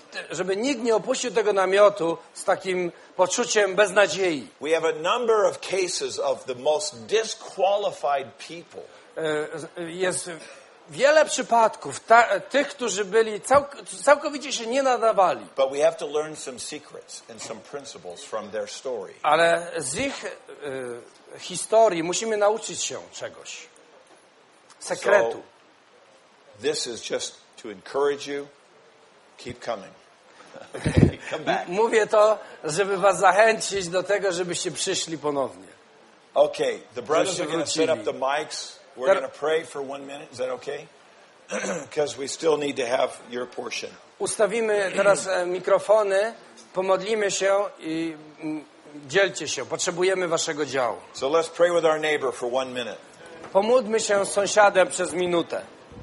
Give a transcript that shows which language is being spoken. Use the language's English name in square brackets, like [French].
[Polish] Żeby nikt nie opuścił tego namiotu z takim poczuciem beznadziei. [English] We have a number of cases of the most disqualified people. [Polish] Jest wiele przypadków tych, którzy byli całkowicie się nie nadawali. [English] But we have to learn some secrets and some principles from their story. [Polish] Ale z ich historii musimy nauczyć się czegoś. Sekretu. [English] So, this is just to encourage you. Keep coming. Come back. [Polish] Mówię to, żeby was zachęcić do tego, żebyście przyszli ponownie. [English] Okay, the brothers are going to set up the mics. We're going to pray for 1 minute. Is that okay? Because we still need to have your portion. [Polish] Ustawimy teraz mikrofony, pomodlimy się i dzielcie się. Potrzebujemy waszego działu. [English] So let's pray with our neighbor for 1 minute. [Polish] Pomódlmy się z sąsiadem przez minutę.